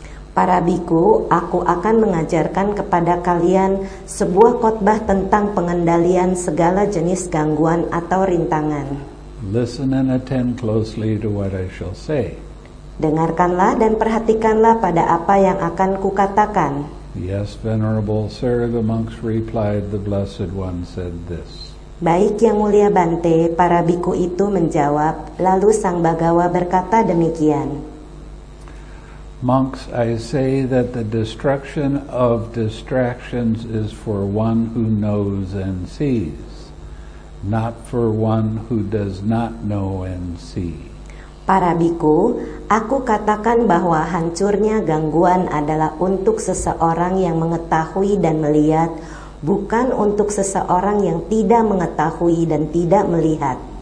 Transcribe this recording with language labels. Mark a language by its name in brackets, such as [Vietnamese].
[Indonesian] Para biku, aku akan mengajarkan kepada kalian sebuah khotbah tentang pengendalian segala jenis gangguan atau rintangan. [English] Listen and attend closely to what I shall say. [Indonesian] Dengarkanlah dan perhatikanlah pada apa yang akan kukatakan. [English] Yes, venerable sir, the monks replied, the Blessed One said this. [Indonesian] Baik yang mulia Bante, para biku itu menjawab, lalu Sang Bhagawa berkata demikian. [English] Monks, I say that the destruction of distractions is for one who knows and sees, not for one who does not know and see. [Indonesian] Para biku, aku katakan bahwa hancurnya gangguan adalah untuk seseorang yang mengetahui dan melihat, bukan untuk seseorang yang tidak mengetahui dan tidak melihat.